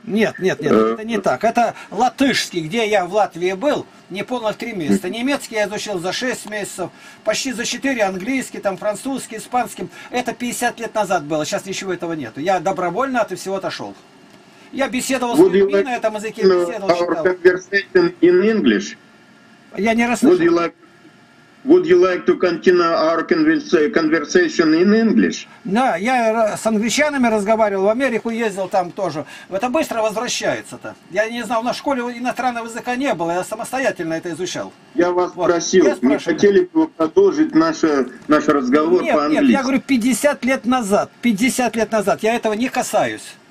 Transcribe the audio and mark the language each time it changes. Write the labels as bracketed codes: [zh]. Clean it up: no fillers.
[ru] Нет, это не так. Это латышский, где я в Латвии был, не полных три месяца. Немецкий я изучил за 6 месяцев, почти за 4, английский, там французский, испанский. Это 50 лет назад было, сейчас ничего этого нету. Я добровольно от всего отошел. Я беседовал с людьми на этом языке, [en] Conversation in English? [ru] Я не расслышал. [en] Would you like to continue our conversation in English? [ru] Да, я с англичанами разговаривал, в Америку ездил там тоже. Это быстро возвращается-то. Я не знал, у нас в школе иностранного языка не было, я самостоятельно это изучал. Я вас просил, не хотели бы вы продолжить наш разговор по-английски? Нет, я говорю, 50 лет назад, я этого не касаюсь.